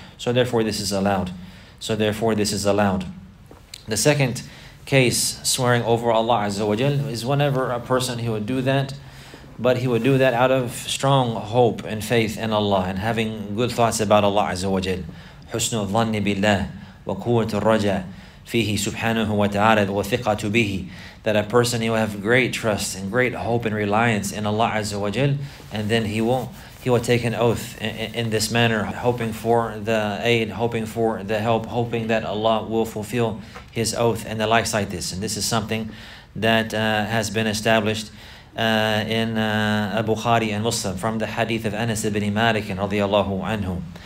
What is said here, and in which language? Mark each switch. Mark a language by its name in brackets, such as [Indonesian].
[English] So therefore, this is allowed. The second case, swearing over Allah Azza wa Jal, is whenever a person, he would do that, but he would do that out of strong hope and faith in Allah and having good thoughts about Allah Azza wa Jal. [Arabic] حسن الظن بالله وقوة الرجاء فيه سبحانه وتعالى وثقة به. [English] That a person, he will have great trust and great hope and reliance in Allah Azza wa Jal, and then he will take an oath in this manner, hoping for the aid, hoping for the help, hoping that Allah will fulfill his oath and the likes like this. And this is something that has been established in Bukhari and Muslim from the hadith of Anas ibn Malik radiallahu anhu.